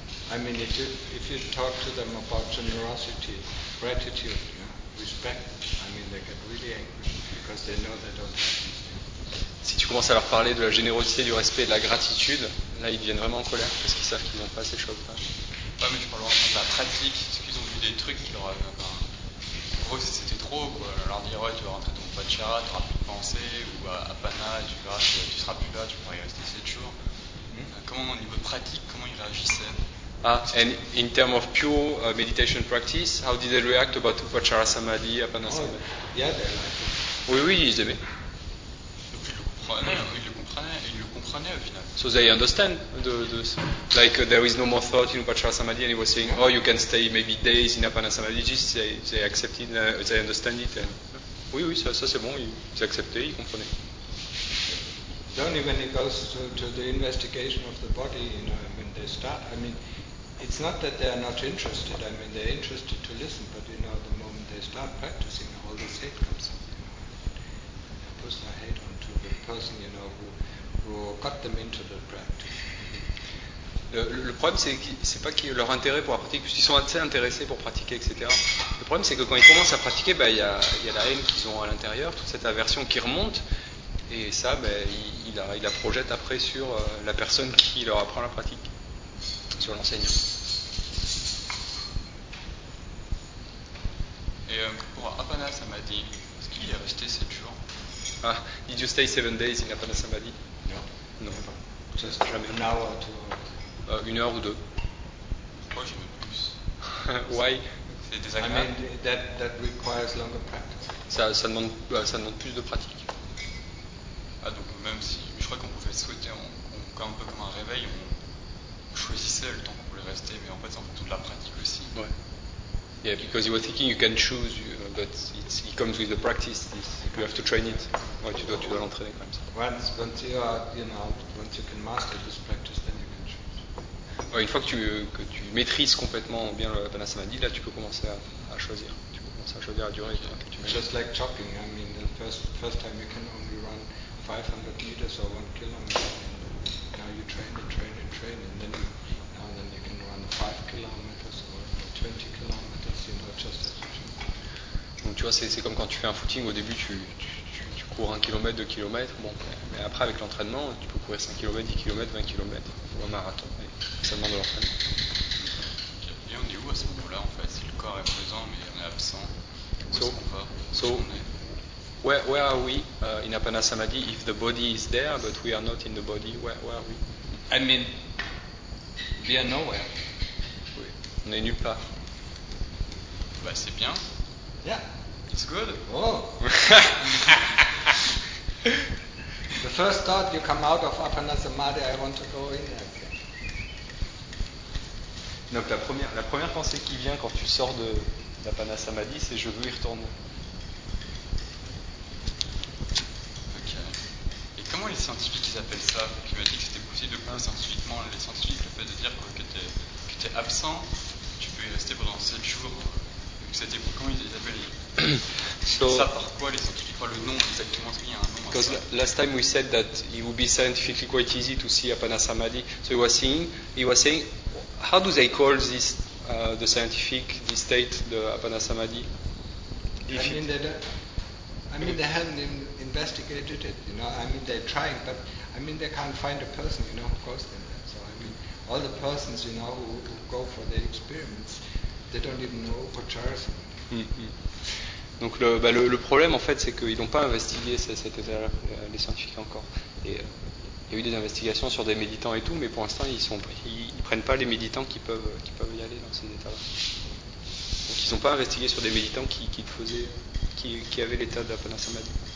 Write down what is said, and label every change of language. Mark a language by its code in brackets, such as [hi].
[en] I mean, if you talk to them about generosity, gratitude, you know, respect, I mean, they get really angry because they know they don't have anything. [fr] Si tu commences à leur parler de la générosité, du respect et de la gratitude, là, ils deviennent vraiment en colère parce qu'ils savent qu'ils n'ont pas ces choses-là. Ouais, mais je parle vraiment de la pratique. Est-ce qu'ils ont vu des trucs qui leur avaient... Enfin, pour eux, c'était trop, quoi. Leur dire, ouais, tu vas rentrer dans le Pachara, tu n'auras plus de pensée, ou à Apana, tu verras, tu seras plus là, tu pourras y rester 7 jours. Mm-hmm. Comment, au niveau pratique, comment ils réagissaient? [en] And in terms of pure meditation practice, how did they react about Upachara Samadhi, Apana Samadhi? Yeah, they liked it. [fr] Oui, oui, ils aimaient. Donc ils le comprenaient au final. [en] So they understand. Like there is no more thought in Upachara Samadhi, and he was saying, oh, you can stay maybe days in Apana Samadhi. They accepted, they understand it. And, [fr] oui, oui, ça c'est bon, ils acceptaient, ils comprenaient. [en] Only when it goes to the investigation of the body, you know, when they start, I mean, it's not that they are not interested, I mean, they're interested to listen, but, you know, the moment they start practicing, all this hate comes up, you know, and they push their hate onto the person, you know, who got them into the practice. [fr] Le problème, c'est pas qu'ils leur intérêt pour la pratique, puisqu'ils sont assez intéressés pour pratiquer, etc. Le problème, c'est que quand ils commencent à pratiquer, il y a la haine qu'ils ont à l'intérieur, toute cette aversion qui remonte, et ça, il la projette après sur la personne qui leur apprend la pratique, sur l'enseignant. Et pour Apana Samadhi, est-ce qu'il est resté 7 jours? [en] Ah, did you stay 7 days in Apana Samadhi? [fr] Non. Non, pas. Ça, c'est jamais. [en] An hour or two. [fr] Une heure ou deux. Pourquoi j'ai même plus? [en] Why? [fr] C'est désagréable. [en] I mean, that requires longer practice. [fr] Ça demande plus de pratique. Ah, donc même si je crois qu'on pouvait souhaiter, un peu comme un réveil, on choisissait le temps qu'on voulait rester, mais en fait c'est en fonction de la pratique aussi. Ouais. [en] Yeah, because you were thinking you can choose, but it comes with the practice. You have to train it. [fr] Ouais, tu dois l'entraîner comme ça. [en] Once you can master this practice, then you can choose. [fr] Ouais, une fois que tu maîtrises complètement bien le Apana Samadhi, là tu peux commencer à choisir. Tu peux commencer à choisir la durée. Okay. Toi, [en] just like chopping, I mean, the first time you can only run 500 meters or 1 kilometer. And now you train, and then you can run 5 kilometers or 20 kilometers, you know, just as you do. [fr] Donc tu vois, c'est comme quand tu fais un footing, au début tu cours 1 km, 2 km, bon, mais après avec l'entraînement, tu peux courir 5 km, 10 km, 20 km, ou un marathon, mais ça demande de l'entraînement. [en] Okay. [fr] Et on est où à ce moment-là en fait? Si le corps est présent mais on est absent, où est-ce qu'on va? [en] So, Where are we in Apana Samadhi if the body is there but we are not in the body? Where are we? I mean, we are nowhere. [fr] Oui. On est nulle part. Bah, c'est bien. [en] Yeah. It's good. Oh. The first thought you come out of Apana Samadhi, I want to go in there. [fr] Donc la première pensée qui vient quand tu sors de l'Apana Samadhi, c'est je veux y retourner. [en] Ok. [fr] Et comment les scientifiques ils appellent ça? Tu m'as dit que c'était possible de parler scientifiquement. Les scientifiques, le fait de dire que t'es absent, tu peux y rester pendant 7 jours. Donc c'était comment ils les appellent? So, ça par quoi les scientifiques? Quoi le nom exactement? Est-ce qu'il y a un nom? [en] Because last time we said that it would be scientifically quite easy to see Apana Samadhi. So he was saying how do they call this, the scientific, this state, the Apana Samadhi? I mean, they haven't investigated it, you know. I mean, they're trying, but I mean, they can't find a person, you know, who goes in there. So, I mean, all the persons, you know, who go for their experiments, they don't even know what charges. [fr] Donc, le problème, en fait, c'est qu'ils n'ont pas investigué cet état-là, les scientifiques encore. Il y a eu des investigations sur des méditants et tout, mais pour l'instant, ils prennent pas les méditants qui peuvent y aller dans ces états-là. Donc, ils n'ont pas investigué sur des méditants qui avaient l'état de la Apana Samadhi.